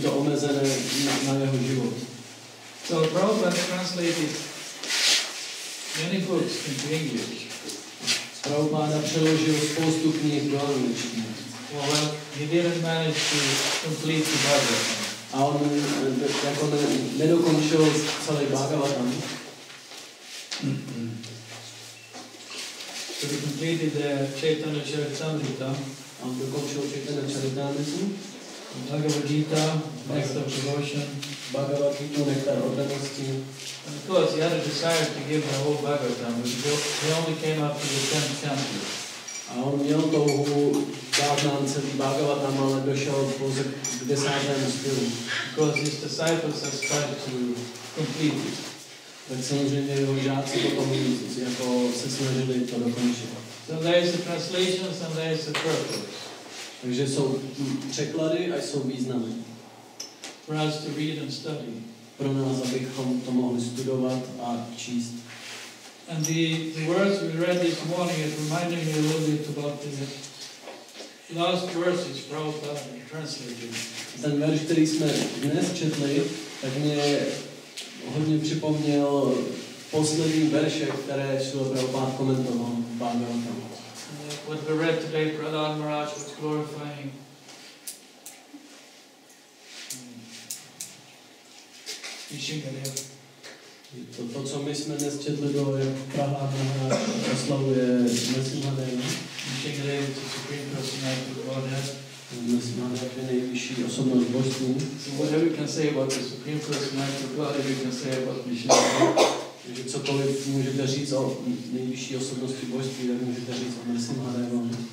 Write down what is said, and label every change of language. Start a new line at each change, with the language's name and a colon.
Czech: to omezené na jeho život.
English: So Prabhupada translated many books into English.
Czech: Prabhupada přeložil spoustu knih do angličtiny.
English: Well, he didn't manage to complete the Bhagavatam.
Czech: A on jako nedokončil celý Bhagavatam.
English: So he completed the Chaitanya Charitamrita.
Czech: On dokončil Chaitanya Charitamrita.
English: Bhagavad Gita, Nectar of Devotion. Bhagavad Gita, Nectar of Devotion. And of course, he had a desire to give the whole Bhagavatam, but he only came up to the 10th canto.
Czech: A on měl touhu dát nám celý Bhagavatam, ale došel pouze k 10. stylu.
English: Because his disciples have started to complete it.
Czech: Tak samozřejmě jeho žáci potom jako se snažili to dokončit.
English: So there is the translations and there is the purpose.
Czech: Takže jsou překlady a jsou významy.
English: For us to read and study.
Czech: Pro nás, abychom to mohli studovat a číst.
English: And the words we read this morning is reminding me a little bit about the last verses Prabhupada translated.
Czech: Ten verš, který jsme dnes četli, tak mě hodně připomněl poslední verše, které Srila Prabhupada komentoval Bhagavatam.
English: What we read today, Prahlad Maharaj was glorifying Kishinadeva.
Czech: To, co my jsme dnes četli, to je Prahlad Maharaj oslavuje Nrsimhadeva.
English: Kishinadeva is the supreme personality of Godhead.
Czech: Nrsimhadeva je nejvyšší osobnost božství.
English: So whatever you can say about the supreme personality of Godhead, you can say about Kishinadeva.
Czech: Takže cokoliv můžete říct o nejvyšší osobnosti božství, tak můžete říct o Nrsimhadevu.